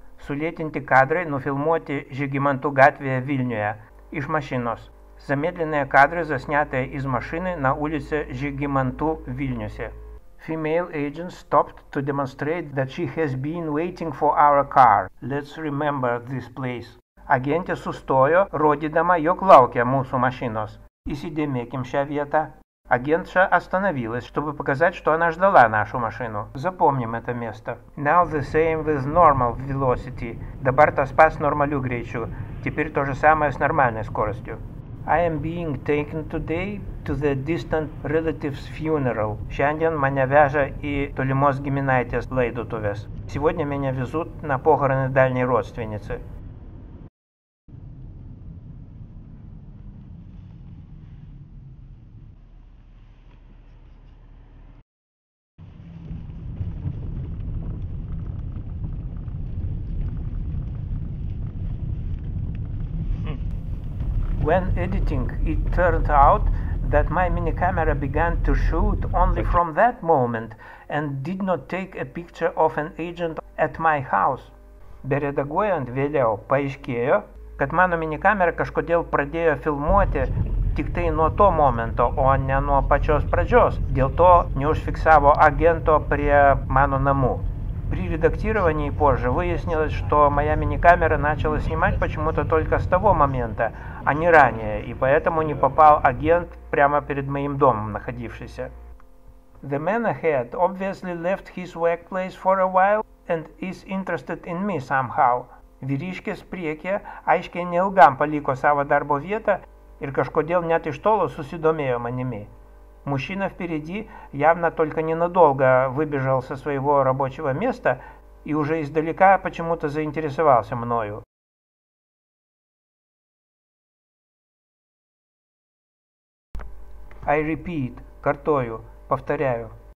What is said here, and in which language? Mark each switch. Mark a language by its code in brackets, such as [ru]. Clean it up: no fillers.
[lt] Sulėtinti kadrai nufilmuoti Žygimantų gatvėje Vilniuje iš mašinos. [ru] Замедленные кадры, заснятые из машины на улице Žygimantų Вильнюсе. [en] Female agent stopped to demonstrate that she has been waiting for our car. Let's remember this place. [lt] Агентė sustojo, rodydama, jog laukia mūsų mašinos. Įsidėmėkim šią vietą. [ru] Агентша остановилась, чтобы показать, что она ждала нашу машину. Запомним это место. [en] Now the same with normal velocity. [lt] Dabar tas pas normaliu greičiu. [ru] Теперь то же самое с нормальной скоростью. [en] I am being taken today to the distant relative's funeral. [lt] Šiandien mane veža į tolimos giminaitės laidotuvės. [ru] Сегодня меня везут на похороны дальней родственницы. [en] When editing, it turned out that my mini camera began to shoot only from that moment and did not take a picture of an agent at my house. [lt] Beredaguojant vėliau paaiškėjo, kad mano mini kamera kažkodėl pradėjo filmuoti tik tai nuo to momento, o ne nuo pačios pradžios. Dėl to neužfiksavo agento prie mano namų. [ru] При редактировании позже выяснилось, что моя мини-камера начала снимать почему-то только с того момента, а не ранее, и поэтому не попал агент прямо перед моим домом находившийся. [en] The man ahead obviously left his workplace for a while and is interested in me somehow. [lt] Vyriškis priekyje aiškiai neilgam paliko savo darbo vietą ir kažkodėl net iš tolo susidomėjo manimi. [ru] Мужчина впереди явно только ненадолго выбежал со своего рабочего места и уже издалека почему-то заинтересовался мною. [en] I repeat, [ru] картою, повторяю.